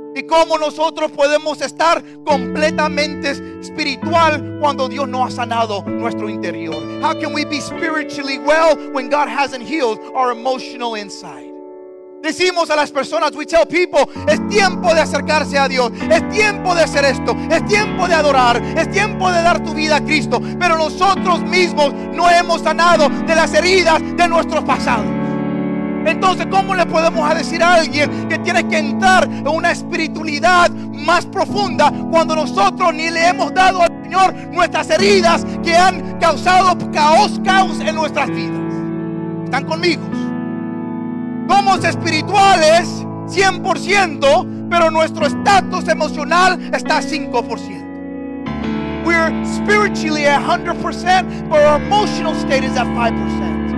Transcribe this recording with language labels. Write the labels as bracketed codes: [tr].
[es] ¿Cómo nosotros podemos estar completamente espiritual cuando Dios no ha sanado nuestro interior? [en] How can we be spiritually well when God hasn't healed our emotional inside? [es] Decimos a las personas, [en] we tell people, [es] es tiempo de acercarse a Dios, es tiempo de hacer esto, es tiempo de adorar, es tiempo de dar tu vida a Cristo, pero nosotros mismos no hemos sanado de las heridas de nuestros pasados. Entonces, ¿cómo le podemos decir a alguien que tiene que entrar en una espiritualidad más profunda cuando nosotros ni le hemos dado al Señor nuestras heridas que han causado caos en nuestras vidas? ¿Están conmigo? Somos espirituales 100%, pero nuestro estatus emocional está 5%. [en] We're spiritually 100%, but our emotional state is at 5%.